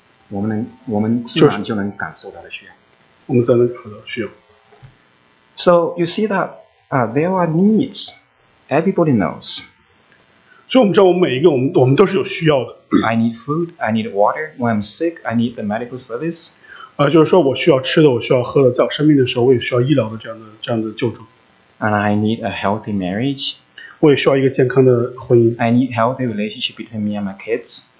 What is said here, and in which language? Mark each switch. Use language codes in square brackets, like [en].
[zh] 我们自然就能感受到的需要。我们自然能感受到需要。 [en] So you see that there are needs. Everybody knows. [zh] 所以我们知道，我们每一个都是有需要的。 [en] I need food. I need water. When I'm sick, I need the medical service. [zh] 就是说我需要吃的，我需要喝的，在我生病的时候，我也需要医疗的这样的救助。 [en] And I need a healthy marriage. [zh] 我也需要一个健康的婚姻。 [en] I need healthy relationship between me and my kids.